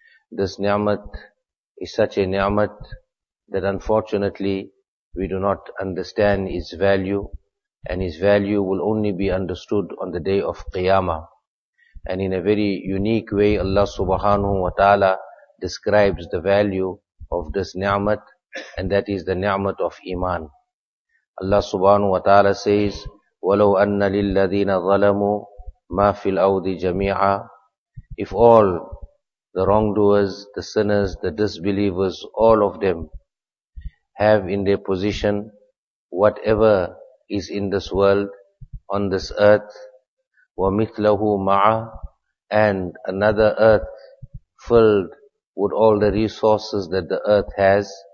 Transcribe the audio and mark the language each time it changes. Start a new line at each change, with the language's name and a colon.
English: This ni'mat is such a ni'mat that unfortunately we do not understand its value, and its value will only be understood on the day of Qiyamah. And in a very unique way, Allah subhanahu wa ta'ala describes the value of this ni'mat, and that is the ni'mat of iman. Allah subhanahu wa ta'ala says,
Arabic: وَلَوْ أَنَّ لِلَّذِينَ ظَلَمُوا مَا فِي الْأَوْضِ جَمِيعًا.
English: If all the wrongdoers, the sinners, the disbelievers, all of them have in their position whatever is in this world, on this earth,
Arabic: وَمِثْلَهُ مَعَ,
English: and another earth filled with all the resources that the earth has.